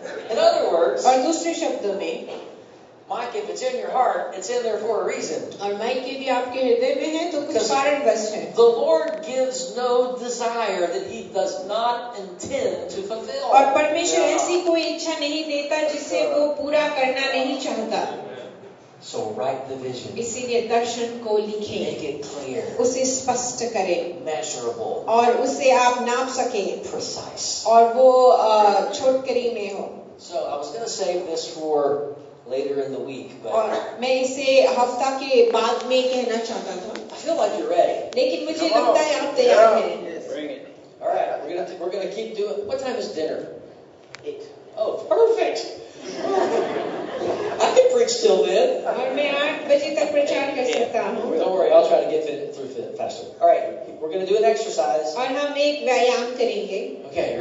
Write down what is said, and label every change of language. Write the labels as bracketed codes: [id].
[en] In other words, [hi] और दूसरे शब्दों में, [en] Mike, if it's in your heart, it's in there for a reason. [hi] और Mike, यदि आपके हृदय में है तो कुछ कारणवश है. [en] The Lord gives no desire that He does not intend to fulfill. [hi] और परमेश्वर ऐसी कोई इच्छा नहीं देता जिसे वो पूरा करना नहीं चाहता. [en] So write the vision. [hi] इसीलिए दर्शन को लिखें. [en] Make it clear. [hi] उसे स्पष्ट करें. [en] Measurable. [hi] और उसे आप नाप सकें. [en] Precise. [hi] और वो छोटकरी में हो. [en] So I was going to save this for later in the week, but. [hi] और मैं इसे हफ्ता के बाद में कहना चाहता था. [en] I feel like you're ready. [hi] लेकिन मुझे लगता है आप तैयार हैं. [en] Bring it. All right, we're gonna keep doing. What time is dinner? 8. Oh, perfect. I can preach till then. Don't worry, I'll try to get through faster. All right, we're going to do an exercise. Okay, you